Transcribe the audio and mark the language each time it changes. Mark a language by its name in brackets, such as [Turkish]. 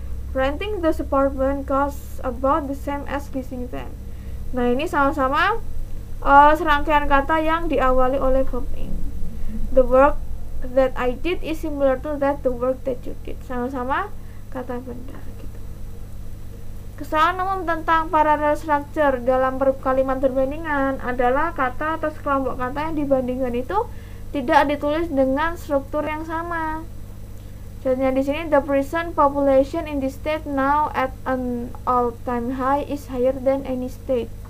[English] Renting this apartment costs about the same as leasing them. [Indonesian] Nah, ini sama-sama serangkaian kata yang diawali oleh verb ing. [English] The work that I did is similar to that the work that you did. [Indonesian] Sama-sama kata benda gitu. Kesalahan umum tentang parallel structure dalam kalimat perbandingan adalah kata atau sekelompok kata yang dibandingkan itu tidak ditulis dengan struktur yang sama. Contohnya di sini, [English] the prison population in this state now at an all-time high is higher than any state.